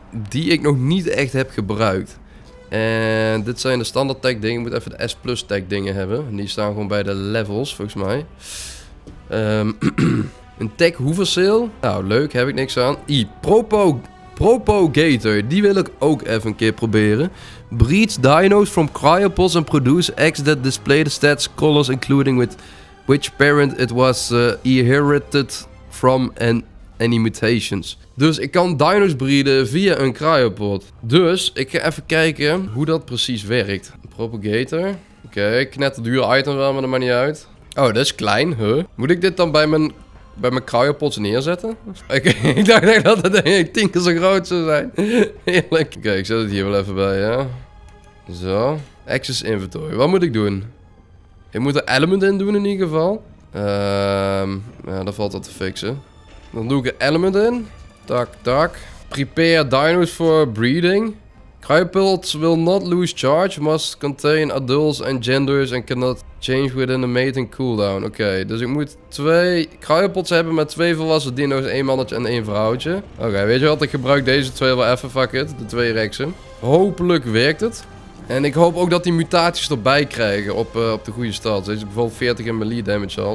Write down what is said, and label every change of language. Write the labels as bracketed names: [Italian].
[Dutch] die ik nog niet echt heb gebruikt. En dit zijn de standaard tag dingen. Ik moet even de S plus tag dingen hebben. En die staan gewoon bij de levels, volgens mij. een tag hoeverseel. Nou, leuk. Heb ik niks aan. I. Propagator. Die wil ik ook even een keer proberen. [English] Breeds dinos from cryopods and produce eggs that display the stats, colors, including with which parent it was inherited from and any mutations. [Dutch] Dus ik kan dinos breeden via een cryopod. Dus ik ga even kijken hoe dat precies werkt. Propagator. Oké, okay, knetterduur item wel, maar dat maakt niet uit. Oh, dat is klein, huh? Moet ik dit dan bij mijn cryopods neerzetten? Okay, ik dacht echt dat het 10 keer zo groot zou zijn. Heerlijk. Oké, okay, ik zet het hier wel even bij, ja. Zo. [English] Access inventory. [Dutch] Wat moet ik doen? Ik moet er element in doen in ieder geval. Ja, dan valt dat te fixen. Dan doe ik er element in. Tak, tak. [English] Prepare dinos for breeding. Cryopods will not lose charge. Must contain adults and genders and cannot change within the mating cooldown. [Dutch] Oké, okay, dus ik moet 2 cryopods hebben met 2 volwassen dino's. 1 mannetje en 1 vrouwtje. Oké, okay, weet je wat? Ik gebruik deze 2 wel even. [English] Fuck it. [Dutch] De 2 rexen. Hopelijk werkt het. En ik hoop ook dat die mutaties erbij krijgen op de goede stats. Deze bijvoorbeeld 40 in melee damage al.